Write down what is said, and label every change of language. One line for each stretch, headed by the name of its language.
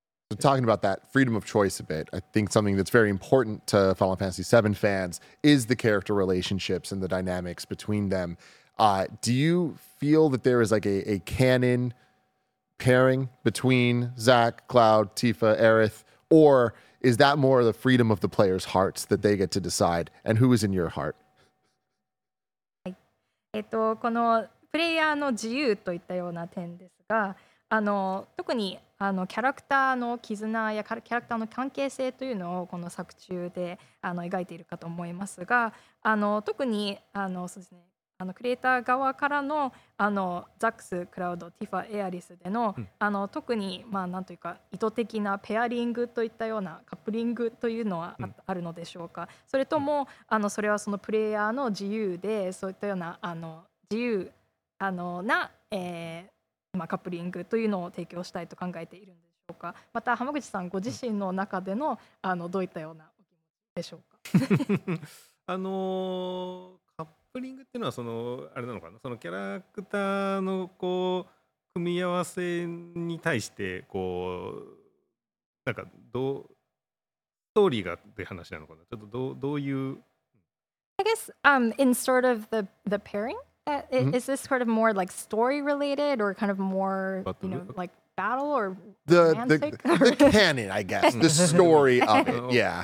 English: So talking about that freedom of choice a bit, I think something that's very important to Final Fantasy VII fans is the character relationships and the dynamics between them. Do you feel that there is like a canon pairing between Zack, Cloud, Tifa, Aerith, or is that more the freedom of the player's hearts that they get to decide? And who is in your heart?
Japanese: このプレイヤーの自由といったような点ですが、特にキャラクターの絆やキャラクターの関係性というのをこの作中で描いているかと思いますが、特にそうですね、クリエイター側からのザックス、クラウド、ティファ、エアリスでの、特に、まあ、なんというか意図的なペアリングといったようなカップリングというのは あるのでしょうか。それとも、それはそのプレイヤーの自由でそういったような自由な、カップリングというのを提供したいと考えているんでしょうか。また浜口さんご自身の中で の、どういったようなお気持ちでしょうか。カップリングっていうのはそのあれなのかな、そのキャラクターのこう組み合わせに対してこうなんかどうストーリーがって話なのかな、ちょっとどういう
English: I guess in sort of the pairing is this sort of more like story related or kind of more you know like battle or the canon I guess the story of it yeah